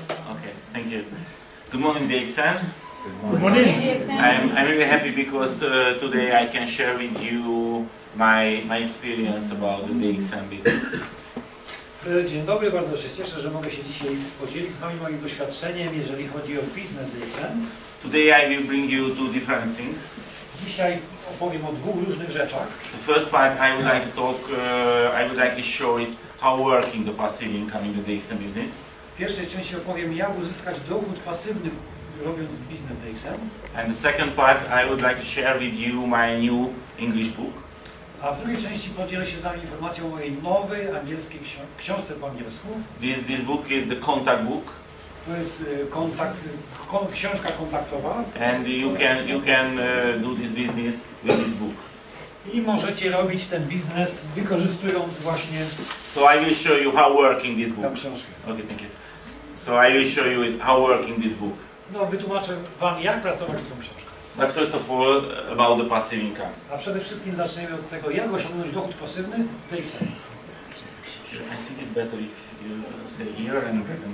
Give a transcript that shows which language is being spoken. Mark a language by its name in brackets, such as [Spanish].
[English] okay, thank you. Good morning, GXN. Good morning. Good morning. I'm really happy because today I can share with you my experience about the GXN business. [Polish] Dzień dobry, bardzo się cieszę, że mogę się dzisiaj podzielić z wami moim doświadczeniem, jeżeli chodzi o biznes GXN. [English] Today I will bring you two different things. [Polish] Dzisiaj opowiem o dwóch różnych rzeczach. [English] The first part I would like to talk, I would like to show is how working the passive income in the GXN business. [Polish] W pierwszej części opowiem, jak uzyskać dochód pasywny robiąc biznes GXN. [English] And the second part I would like to share with you my new English book. [Polish] A w drugiej części podzielę się z wami informacją o mojej nowej angielskiej książce po angielsku. [English] This book is the contact book. [Polish] To jest książka kontaktowa. [English] And you can do this business with this book. [Polish] I możecie robić ten biznes wykorzystując właśnie. [English] So I will show you how working this book. [Polish] Ta książka. [English] Okay, thank you. So I will show you how working this book. [Polish] No, wytłumaczę wam, jak pracować z tą książką. [English] But first of all, about the passive income. [Polish] A przede wszystkim zaczniemy od tego, jak osiągnąć dochód pasywny w tej chwili. [English] I think it's better if you stay here and...